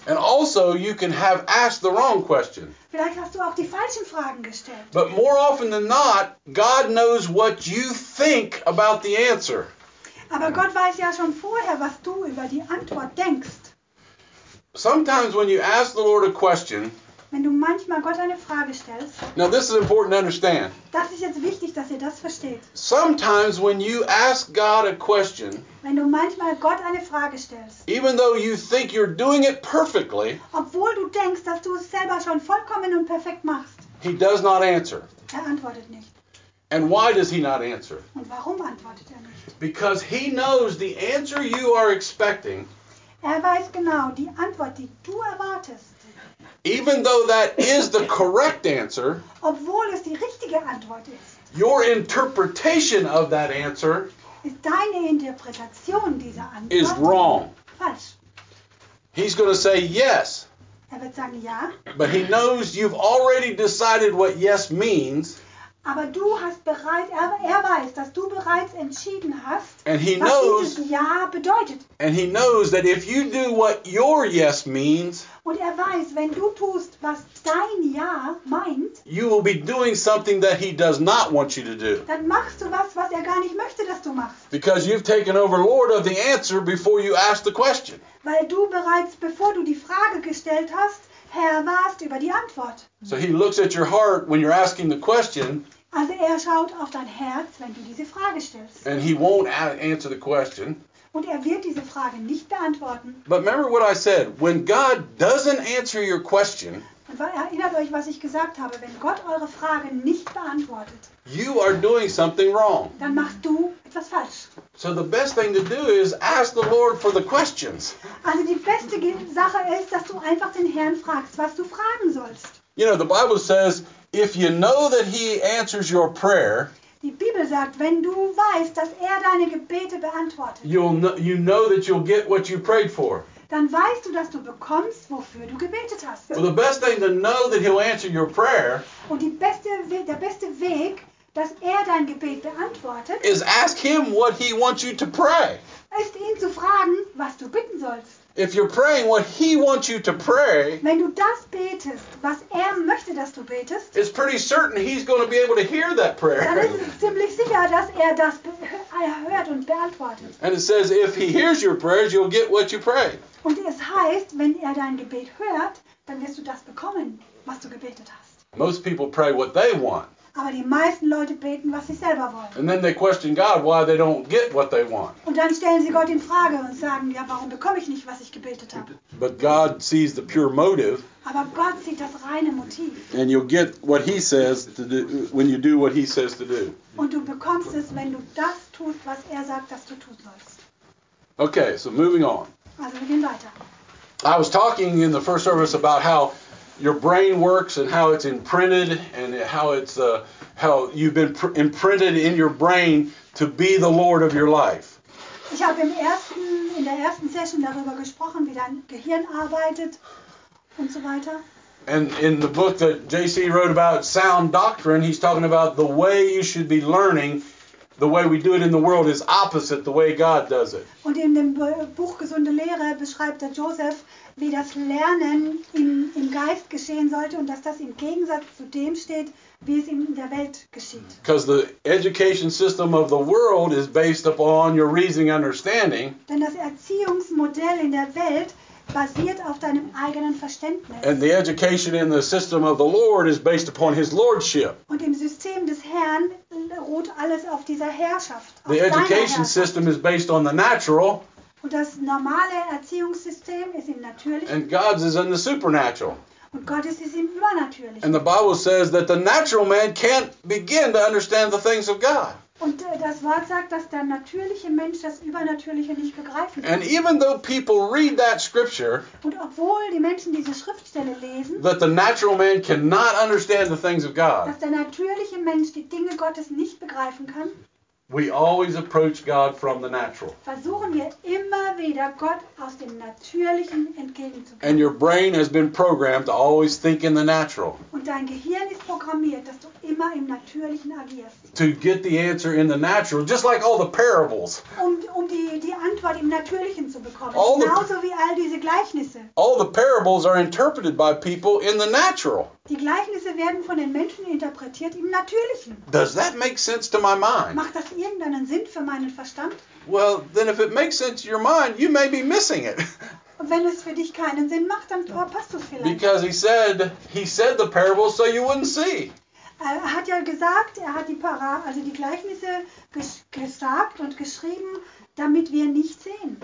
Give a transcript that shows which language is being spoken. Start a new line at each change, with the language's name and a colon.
English: And also you can have asked the wrong question.
German: Vielleicht hast du auch die falschen Fragen gestellt.
English: But more often than not, God knows what you think about the answer.
German: Aber Gott weiß ja schon vorher, was du über die Antwort denkst.
English: Sometimes when you ask the Lord a question,
German: wenn du manchmal Gott eine Frage stellst,
English: now this is important to understand.
German: Das ist jetzt wichtig, dass ihr das versteht.
English: Sometimes when you ask God a question,
German: wenn du manchmal Gott eine Frage stellst,
English: even though you think you're doing it perfectly,
German: obwohl du denkst, dass du es selber schon vollkommen und perfekt machst,
English: he does not answer.
German: Er antwortet nicht.
English: And why does he not answer?
German: Und warum antwortet er nicht?
English: Because he knows the answer you are expecting.
German: Er weiß genau die Antwort, die du erwartest.
English: Even though that is the correct answer,
German: obwohl es die richtige Antwort ist,
English: your interpretation of that answer
German: ist deine Interpretation dieser Antwort
English: is wrong.
German: Falsch.
English: He's going to say yes.
German: Er wird sagen ja.
English: But he knows you've already decided what yes means.
German: Aber du hast bereits, er weiß, dass du bereits entschieden hast,
English: and he was knows,
German: dieses Ja bedeutet.
English: And he knows that if you do what your yes means,
German: und er weiß, wenn du tust, was dein Ja meint,
English: you will be doing something that he does not want you to do.
German: Dann machst du was, was er gar nicht möchte, dass du machst.
English: Because you've taken over Lord of the answer before you ask the question.
German: Weil du bereits, bevor du die Frage gestellt hast, Herr warst über die Antwort.
English: So he looks at your heart when you're asking the question.
German: Also er schaut auf dein Herz, wenn du diese Frage stellst.
English: And he won't answer the question.
German: Und er wird diese Frage nicht beantworten.
English: But remember what I said. When God doesn't answer your question,
German: und erinnert euch, was ich gesagt habe. Wenn Gott eure Frage nicht beantwortet,
English: you are doing something wrong.
German: Dann machst du etwas falsch.
English: So the best thing to do is ask the Lord for the questions.
German: Also die beste Sache ist, dass du einfach den Herrn fragst, was du fragen sollst.
English: You know, the Bible says, if you know that he answers your prayer,
German: die Bibel sagt, wenn du weißt, dass er deine Gebete beantwortet,
English: you know that you'll get what you prayed for.
German: Dann weißt du, dass du bekommst, wofür du gebetet hast.
English: Well, the best thing to know that he'll answer your prayer,
German: und die beste, der beste Weg, dass er dein Gebet beantwortet,
English: is ask him what he wants you to pray.
German: Ist ihn zu fragen, was du bitten sollst.
English: If you're praying what he wants you to pray,
German: wenn du das betest, was er möchte, dass du betest,
English: it's pretty certain he's going to be able to hear that prayer.
German: Dann ist es ziemlich sicher, dass er das hört und beantwortet.
English: And it says, if he hears your prayers, you'll get what you pray.
German: Und es heißt, wenn er dein Gebet hört, dann wirst du das bekommen, was du gebetet hast.
English: Most people pray what they want.
German: Aber die meisten Leute beten, was sie selber wollen.
English: And then they question God why they don't get what they want.
German: Und dann stellen sie Gott in Frage und sagen, ja, warum bekomme ich nicht, was ich gebetet habe?
English: But God sees the pure motive.
German: Aber Gott sieht das reine Motiv.
English: And you'll get what he says to do when you do what he says to do.
German: Und du bekommst es, wenn du das tust, was er sagt, dass du tun sollst.
English: Okay, so moving on.
German: Also wir gehen weiter.
English: I was talking in the first service about how your brain works and how it's imprinted and how it's how you've been imprinted in your brain to be the Lord of your life.
German: Ich habe in der ersten Session darüber gesprochen, wie dein Gehirn arbeitet und so weiter.
English: And in the book that JC wrote about sound doctrine, he's talking about the way you should be learning. The way we do it in the world is opposite the way God does it.
German: Und in dem Buch Gesunde Lehre beschreibt der Joseph, wie das Lernen im Geist geschehen sollte und dass das im Gegensatz zu dem steht, wie es in der Welt geschieht.
English: Because the education system of the world is based upon your reasoning and understanding.
German: Denn das Erziehungsmodell in der Welt basiert auf deinem eigenen Verständnis.
English: And the education in the system of the Lord is based upon his lordship.
German: Und im System des Herrn ruht alles auf dieser Herrschaft.
English: The education system is based on the natural.
German: Und das normale Erziehungssystem ist im Natürlichen.
English: And God's is in the supernatural.
German: Und Gottes ist im Übernatürlichen.
English: And the Bible says that the natural man can't begin to understand the things of God.
German: Und das Wort sagt, dass der natürliche Mensch das Übernatürliche nicht begreifen kann.
English: And even though people read that scripture,
German: und obwohl die Menschen diese Schriftstelle lesen,
English: that the natural man cannot understand the things of God,
German: dass der natürliche Mensch die Dinge Gottes nicht begreifen kann,
English: we always approach God from the natural.
German: Versuchen wir immer wieder, wieder Gott aus dem Natürlichen entgegenzukommen.
English: And your brain has been programmed to always think in the natural.
German: Und dein Gehirn ist programmiert, dass du immer im Natürlichen agierst.
English: To get the answer in the natural, just like all the parables.
German: Um die Antwort im Natürlichen zu bekommen, all genauso wie all diese Gleichnisse.
English: All the parables are interpreted by people in the natural.
German: Die Gleichnisse werden von den Menschen interpretiert im Natürlichen.
English: Does that make sense to my mind?
German: Macht das irgendeinen Sinn für meinen Verstand?
English: Well, then if it makes sense to your mind, you may be missing it.
German: Wenn es für dich keinen Sinn macht, dann verpasst du es vielleicht.
English: Because he said the parables so you wouldn't see.
German: Er hat ja gesagt, er hat die Gleichnisse gesagt und geschrieben, damit wir nicht sehen.